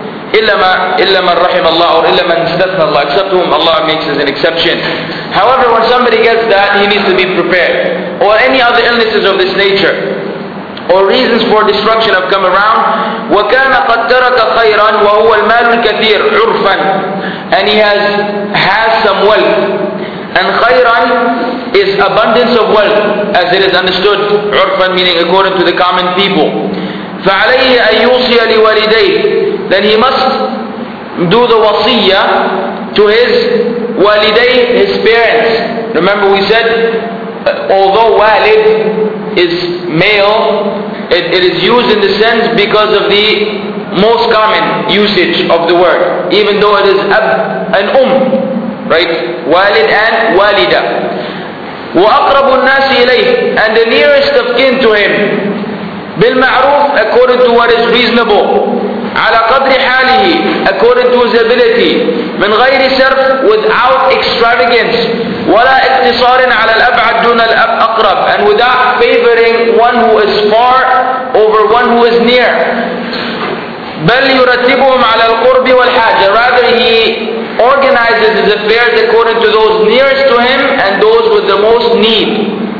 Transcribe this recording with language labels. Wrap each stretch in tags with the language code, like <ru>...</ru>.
<en>إِلَّا مَنْ رَحِمَ اللَّهُ or إِلَّا مَنْ اسْتَثْنَى اللَّهُ, except whom Allah makes as an exception. However, when somebody gets that, he needs to be prepared. Or any other illnesses of this nature, or reasons for destruction have come around.</en> <ar>وَكَانَ قَدْ تَرَكَ خَيْرًا وَهُوَ الْمَالُ الْكَثِيرُ عُرْفًا, and he has some wealth.</ar> <en>And خَيْرًا is abundance of wealth, as it is understood, عُرْفًا meaning according to the common people. فَعَلَيْهِ أَنْ يُوصِيَ لِوَالِدَيْهِ, then he must do the wasiyya to his walidayh, his parents. Remember we said, although walid is male, it is used in the sense because of the most common usage of the word, even though it is ab and right? Walid and walida. وَأَقْرَبُ النَّاسِ إِلَيْهِ, and the nearest of kin to him. بِالْمَعْرُوفِ, according to what is reasonable. عَلَى قَدْرِ حَالِهِ, according to his ability. مِنْ غَيْرِ سَرْفٍ, without extravagance. وَلَا اِقْتِصَارٍ عَلَى الْأَبْعَدُ دُونَ الْأَقْرَبِ, and without favoring one who is far over one who is near. بَلْ يُرَتِّبُهُمْ عَلَى الْقُرْبِ وَالْحَاجَةِ, rather he organizes his affairs according to those nearest to him and those with the most need.</en>